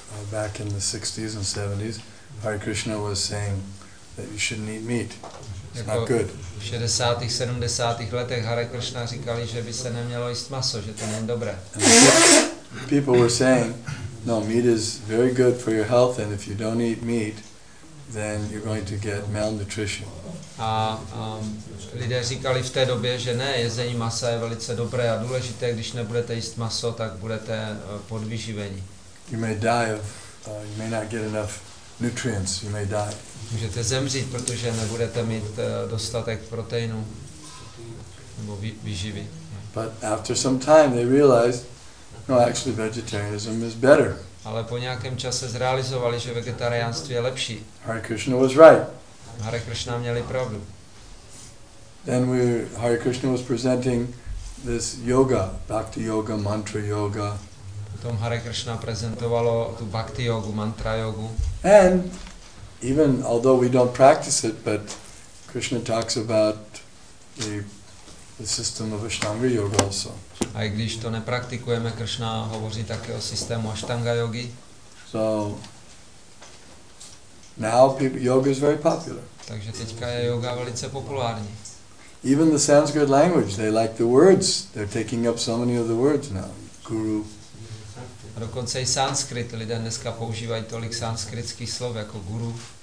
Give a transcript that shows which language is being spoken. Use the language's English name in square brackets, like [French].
[English] Back in the 60s and 70s, Hare Krishna was saying that you shouldn't eat meat. It's not good. [Czech] V 60. 70. letech Hare Krishna říkali, že by se nemělo jíst maso, že to není dobré. [English] People were saying, no, meat is very good for your health, and if you don't eat meat, then you're going to get malnutrition. [Czech] A lidé říkali v té době, že ne, jezení masa je velice dobré a důležité, když nebudete jíst maso, tak budete podvyživení. [English] You may die of you may not get enough nutrients, you may die. [Czech] Můžete zemřít, protože nebudete mít dostatek proteinů nebo výživy. [English] But after some time they realized, no, actually vegetarianism is better. [Czech] Ale po nějakém čase zrealizovali, že vegetariánství je lepší. [English] Hare Krishna was right. [Czech] Hare Krishna měli pravdu. [English] Then Hare Krishna was presenting this yoga, bhakti yoga, mantra yoga. [Czech] Tom Hare Krishna prezentovalo tu bhakti jogu, mantra jogu. [English] And even although we don't practice it, but Krishna talks about the system of Ashtanga yoga also. [Czech] A i když to nepraktikujeme, Krishna hovoří také o systému Ashtanga yogi. [English] So now yoga is very popular. [Czech] Takže teďka je yoga velice populární. [English] Even the Sanskrit language, they like the words. They're taking up so many of the words now. Guru. [Czech] Dokonce i sanskrit, lidé dneska používají tolik sanskritských slov jako guru.